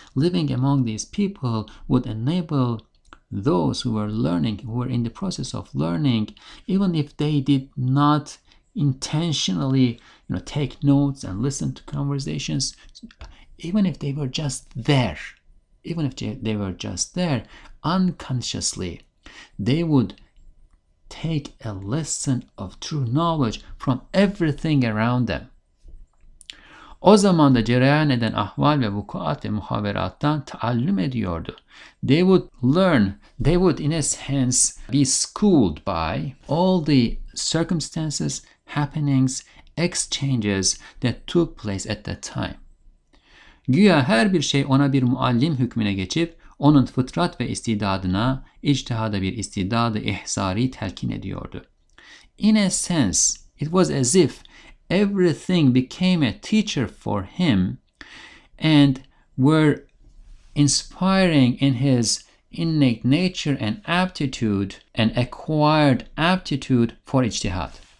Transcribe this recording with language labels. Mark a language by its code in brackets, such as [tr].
[en] Living among these people would enable those who were learning, who were in the process of learning, even if they did not intentionally take notes and listen to conversations, even if they were just there, even if they were just there unconsciously, they would take a lesson of true knowledge from everything around them. [tr] O zaman da cereyan eden ahval ve vukuat ve muhaverattan taallüm ediyordu. [en] They would learn, they would in a sense be schooled by all the circumstances, happenings, exchanges that took place at that time. [tr] Güya her bir şey ona bir muallim hükmüne geçip, onun fıtrat ve istidadına, içtihada bir istidadı ihsari telkin ediyordu. [en] In a sense, it was as if everything became a teacher for him and were inspiring in his innate nature and aptitude, an acquired aptitude for ijtihad.